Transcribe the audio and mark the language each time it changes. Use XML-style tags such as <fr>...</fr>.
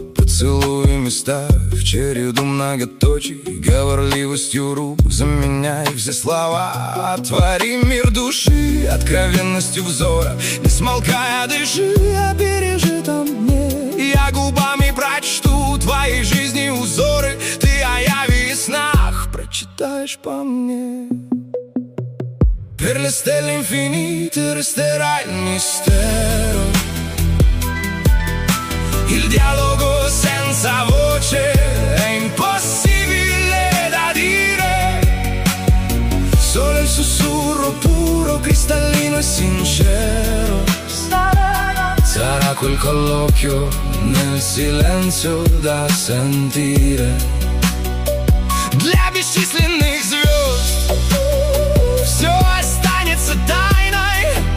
<ru>Целую места в череду многоточий, говорливостью рук заменяй все слова. Отвори мир души откровенностью взора. Не смолкая дыши о пережитом дне, я губами прочту твои жизни узоры. Ты о яви и снах прочитаешь по мне.</ru> <it>Per le stelle infinite resterà il mistero. Il dialogo senza voce è impossibile da dire. Solo il sussurro puro, cristallino e sincero sarà quel colloquio nel silenzio da sentire.</it> <ru>Для бесчисленных звезд все останется тайной.</ru>